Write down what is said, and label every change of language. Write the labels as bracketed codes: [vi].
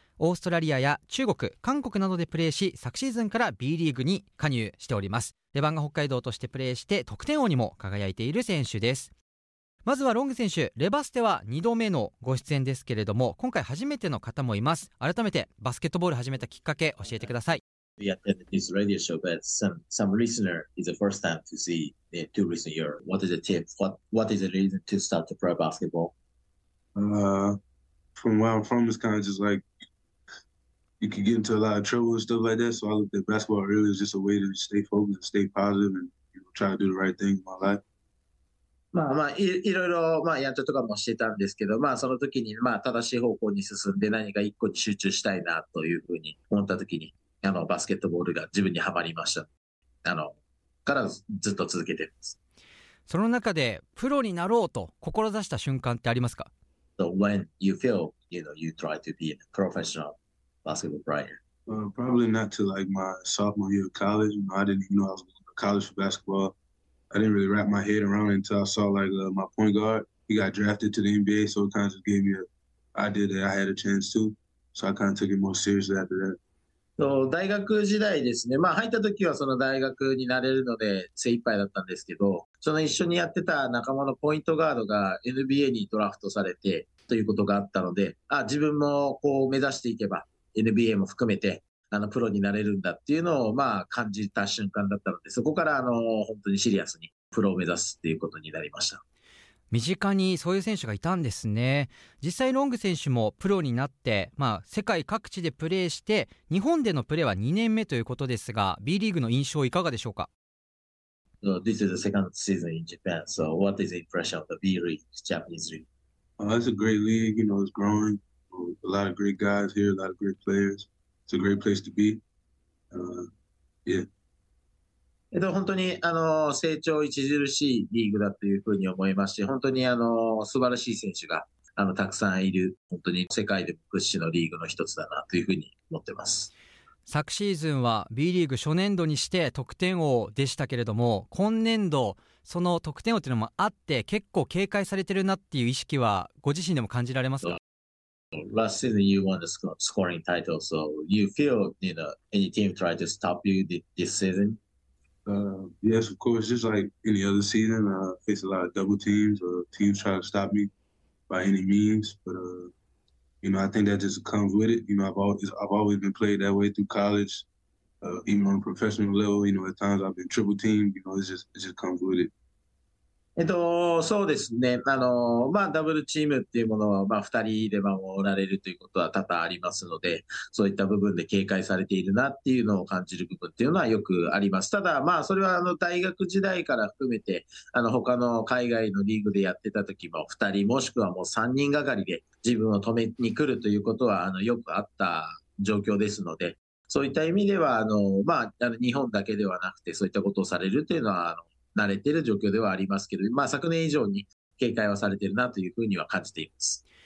[ja] オーストラリアや中国、韓国などでプレーし、昨シーズンから B リーグに加入しております。レバンガ北海道としてプレーして得点王にも輝いている選手です。まずはロング選手、レバステは2度目のご出演ですけれども、今回初めての方もいます。改めてバスケットボール始めたきっかけ教えてください。 [en] We attended this radio show, but some listener is the first time to see the two recent year. What is the tip? What is the reason to start to play basketball? From this kind of just like, you can get into a lot of trouble and stuff like that. So I looked at basketball really as just a way to stay focused, stay positive, and you know, try to do the right thing in my life. [ja] いろいろやんちゃとかもしてたんですけど、まあ、その時に、まあ、正しい方向に進んで何か一個に集中したいなというふうに思った時に、バスケットボールが自分にはまりました。からずっと続けてます。その中でプロになろうと志した瞬間ってありますか？ [en] So when you feel, you know, you try to be a professional basketball player? Probably not till like my sophomore year of college. I didn't even know I was going to college for basketball. I didn't really wrap my head around it until I saw like my point guard. He got drafted to the NBA, so it kind of just gave me an idea that I had a chance to. So I kind of took it more seriously after that. [ja] そう、大学時代ですね。まあ入った時はその大学になれるので精一杯だったんですけど、その一緒にやってた仲間のポイントガードが NBA にドラフトされてということがあったので、あ、自分もこう目指していけば NBA も含めてプロになれるんだっていうのをまあ感じた瞬間だったので、そこから本当にシリアスにプロを目指すっていうことになりました。身近にそういう選手がいたんですね。実際ロング選手もプロになって、まあ、世界各地でプレーして、日本でのプレーは2年目ということですが、 B リーグの印象いかがでしょうか？ [en] So, this is the second season in Japan. So what is the impression of the B League, Japanese League? Well, it's a great league. You know, it's growing. A lot of great guys here, a lot of great players. It's a great place to be. [ja] 本当に成長著しいリーグだというふうに思いますし、本当に素晴らしい選手がたくさんいる、本当に世界で屈指のリーグの一つだなというふうに思ってます。昨シーズンは B リーグ初年度にして得点王でしたけれども、今年度その得点王というのもあって結構警戒されてるなっていう意識はご自身でも感じられますか？ [en] Last season you won the scoring title, so you feel, you know, any team try to stop you this season Yes, of course. Just like any other season, I face a lot of double teams or teams try to stop me by any means. But, you know, I think that just comes with it. You know, I've always been played that way through college, even on a professional level. You know, at times I've been triple teamed. You know, it just comes with it. [ja] そうですね。ダブルチームっていうものは、二人で守られるということは多々ありますので、そういった部分で警戒されているなっていうのを感じる部分っていうのはよくあります。ただ、それは大学時代から含めて、他の海外のリーグでやってた時も、二人もしくはもう三人がかりで自分を止めに来るということは、よくあった状況ですので、そういった意味では、日本だけではなくて、そういったことをされるっていうのは、慣れている状況ではありますけど、昨年以上に警戒はされているなというふうには感じています。